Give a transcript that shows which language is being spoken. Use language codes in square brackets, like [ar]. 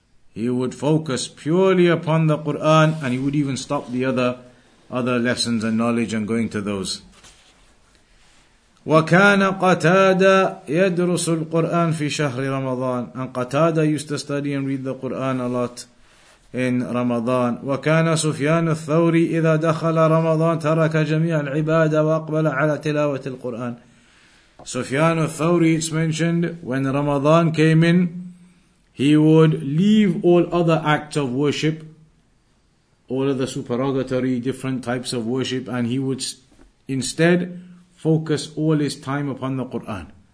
[en] He would focus purely upon the Quran and he would even stop the other lessons and knowledge and going to those. [ar] وَكَانَ قَتَادَ يَدْرُسُ الْقُرْآنَ فِي شَهْرِ رَمَضَانَ. [en] And Qatada used to study and read the Quran a lot in Ramadan. [ar] وكان سفيان الثوري إذا دخل رمضان ترك جميع العبادة وأقبل على تلاوة القرآن. [en] سفيان الثوري, it's mentioned, when Ramadan came in, he would leave all other acts of worship, all of the supererogatory different types of worship, and he would instead focus all his time upon the Quran.